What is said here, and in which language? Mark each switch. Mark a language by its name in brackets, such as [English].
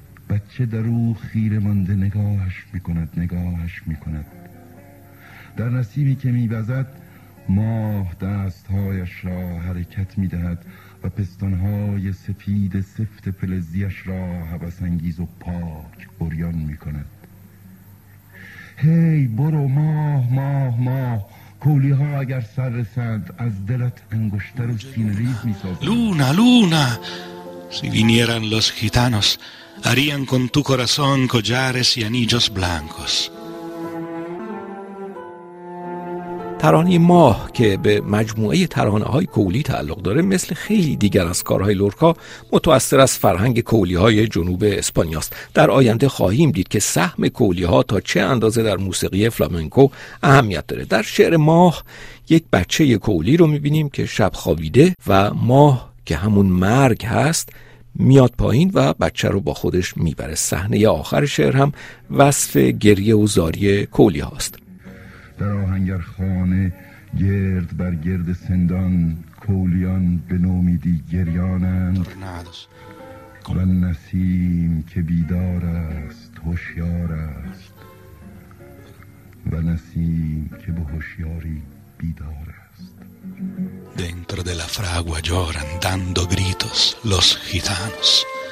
[Persian] بچه در او خیره مانده نگاهش میکند، نگاهش میکند، در نسیمی که میوزد ماه دستهایش را حرکت میدهد و پستانهای سفید سفت فلزیش را هوس‌انگیز و پاک عریان میکند. هی برو ماه ماه ماه، کولی ها اگر سر رسند از دلت انگشتر و سینه ریز میسازند. [Spanish] لونا لونا، سی وینیران لس گیتانوس harían con tu corazón collares y anillos blancos. [Persian] ترانه ماه که به مجموعه ترانه های کولی تعلق داره، مثل خیلی دیگر از کارهای لورکا متأثر از فرهنگ کولی های جنوب اسپانیاست. در آینده خواهیم دید که سهم کولی ها تا چه اندازه در موسیقی فلامنکو اهمیت داره. در شعر ماه یک بچه کولی رو میبینیم که شب خوابیده و ماه که همون مرگ هست میاد پایین و بچه رو با خودش میبره. صحنه آخر شعر هم وصف گریه و زاری کولی هاست. در آهنگر خانه گرد بر گرد سندان، کولیان به نومیدی گریانند و نسیم که بیدار است هوشیار است و نسیم که به هوشیاری بیدار است. [Spanish] Dentro de la fragua lloran dando gritos los gitanos.